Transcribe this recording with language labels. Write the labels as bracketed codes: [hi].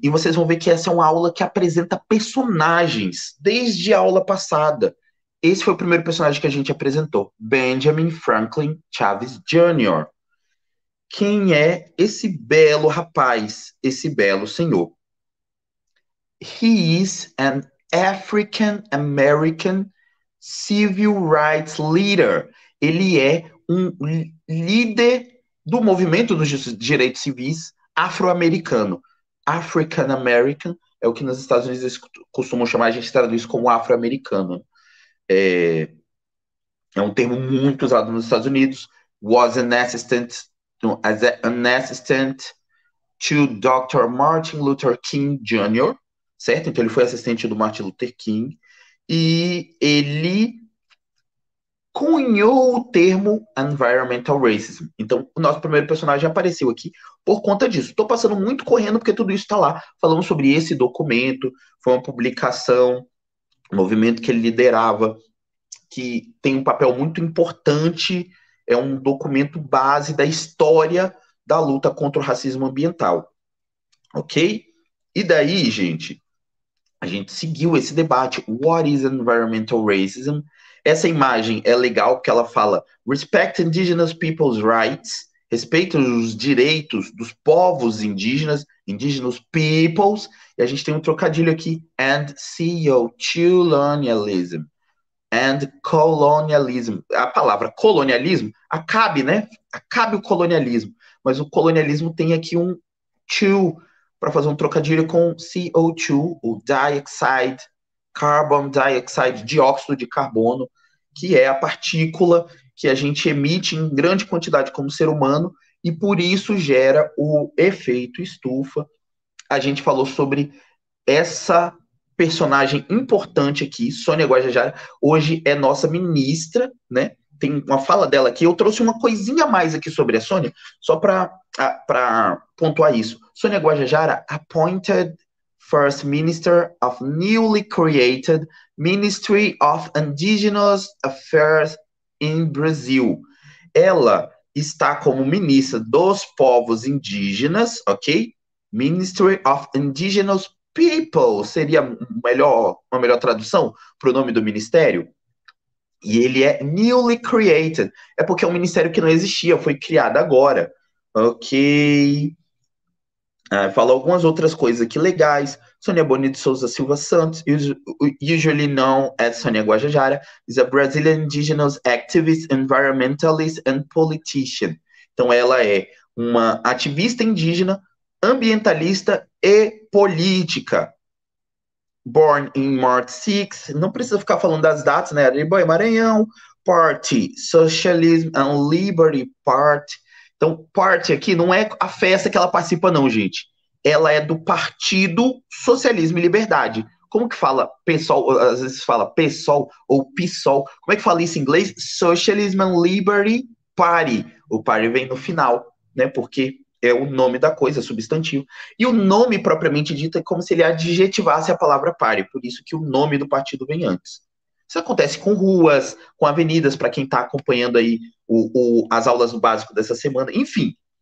[pt] E vocês vão ver que essa é uma aula que apresenta personagens desde a aula passada. Esse foi o primeiro personagem que a gente apresentou: Benjamin Franklin Chaves Jr. Quem é esse belo rapaz, esse belo senhor? [en] He is an African American civil rights leader. [pt] Ele é um líder do movimento dos direitos civis afro-americano. African American é o que nos Estados Unidos eles costumam chamar, a gente traduz como afro-americano. É um termo muito usado nos Estados Unidos. [en] Was an assistant. As an assistant to Dr. [pt] Martin Luther King Jr., certo? Então ele foi assistente do Martin Luther King e ele cunhou o termo environmental racism. Então o nosso primeiro personagem apareceu aqui por conta disso. Estou passando muito correndo porque tudo isso está lá. Falamos sobre esse documento, foi uma publicação, um movimento que ele liderava, que tem um papel muito importante. É um documento base da história da luta contra o racismo ambiental. Ok? E daí, gente, a gente seguiu esse debate. [en] What is environmental racism? [pt] Essa imagem é legal porque ela fala: [en] respect indigenous people's rights, [pt] respeita os direitos dos povos indígenas, indigenous peoples, e a gente tem um trocadilho aqui: [en] and CO2 colonialism. And colonialism. [pt] A palavra colonialismo, acabe, né? Acabe o colonialismo. Mas o colonialismo tem aqui um to para fazer um trocadilho com CO2, o dioxide, carbon dioxide, dióxido de carbono, que é a partícula que a gente emite em grande quantidade como ser humano e por isso gera o efeito estufa. A gente falou sobre essa personagem importante aqui, Sônia Guajajara, hoje é nossa ministra, né? Tem uma fala dela aqui. Eu trouxe uma coisinha a mais aqui sobre a Sônia, só para pontuar isso. [en] Sônia Guajajara, appointed First Minister of newly created Ministry of Indigenous Affairs in Brazil. [pt] Ela está como ministra dos povos indígenas, ok? Ministry of Indigenous People seria uma melhor tradução para o nome do ministério? E ele é [en] newly created. [pt] É porque é um ministério que não existia, foi criado agora. Ok. Fala algumas outras coisas aqui legais. [en] Sônia Bonito Souza Silva Santos, usually known as Sônia Guajajara, is a Brazilian indigenous activist, environmentalist and politician. [pt] Então ela é uma ativista indígena, ambientalista e política. [en] Born in March 6, [pt] não precisa ficar falando das datas, né? [en] Ariboia, Maranhão, Party, Socialism and Liberty Party. [pt] Então, Party aqui não é a festa que ela participa, não, gente. Ela é do Partido Socialismo e Liberdade. Como que fala PSOL? Às vezes fala PSOL ou PSOL. Como é que fala isso em inglês? [en] Socialism and Liberty Party. [pt] O party vem no final, né? Porque é o nome da coisa, substantivo. E o nome propriamente dito é como se ele adjetivasse a palavra party. Por isso que o nome do partido vem antes. Isso acontece com ruas, com avenidas, para quem está acompanhando aí as aulas do básico dessa semana. Enfim.